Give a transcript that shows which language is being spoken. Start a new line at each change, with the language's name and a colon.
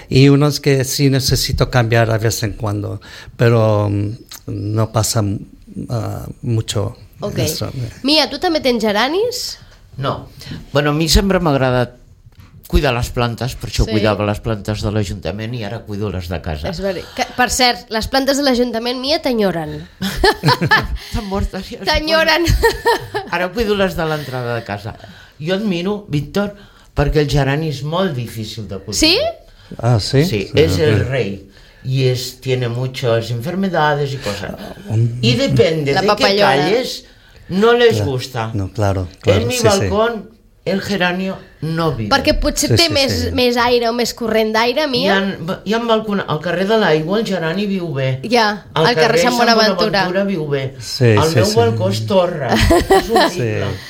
Spanish: Y unas que sí necesito cambiar a veces en cuando, pero no pasa mucho. Ok.
Catalan: Mia, tu també tens geranis? No. Bueno, a mi sempre m'ha agradat cuidar les plantes, per això sí. Cuidava les plantes de l'Ajuntament i ara cuido les de casa. És veritat. Que, per cert, les plantes de l'Ajuntament, Mia, t'enyoren. Estan mortes. Ja t'enyoren. Ara cuido les de l'entrada de casa. Jo admiro, Víctor, perquè el gerani és molt difícil de cuidar. Sí? Ah, sí? Sí, és el rei.
Spanish: I es tiene muchas enfermedades y cosas. Y depende de qué calles, no les gusta. No, claro, claro. En mi balcón, el geranio no vive.
Catalan: Perquè potser té més aire o més corrent d'aire, Mia. Hi ha balcón, al carrer de l'aigua el gerani viu bé. Ja, al carrer Sant Bonaventura. Al carrer Sant Bonaventura viu bé. El meu balcó és torre, és un llibre.